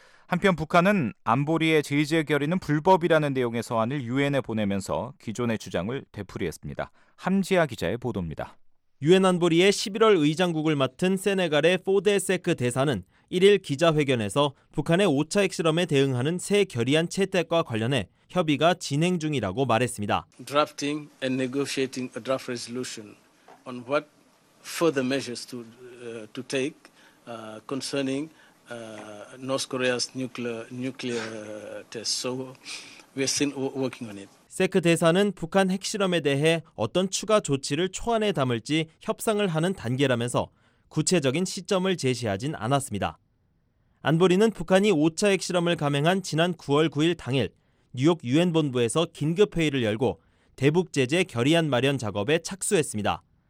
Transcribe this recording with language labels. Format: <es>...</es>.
<ko>한편 북한은 안보리의 제재 결의는 불법이라는 내용의 서한을 유엔에 보내면서 기존의 주장을 되풀이했습니다. 함지아 기자의 보도입니다. 유엔 안보리의 11월 의장국을 맡은 세네갈의 포데세크 대사는 1일 기자회견에서 북한의 5차 핵실험에 대응하는 새 결의안 채택과 관련해 협의가 진행 중이라고 말했습니다.</ko> <en>Drafting and negotiating a draft resolution on what further measures to take concerning North Korea's nuclear test. So we're still working on it.</en> <ko>세크 대사는 북한 핵실험에 대해 어떤 추가 조치를 초안에 담을지 협상을 하는 단계라면서 구체적인 시점을 제시하진 않았습니다. 안보리는 북한이 5차 핵실험을 감행한 지난 9월 9일 당일 뉴욕 유엔 본부에서 긴급 회의를 열고 대북 제재 결의안 마련 작업에 착수했습니다.</ko>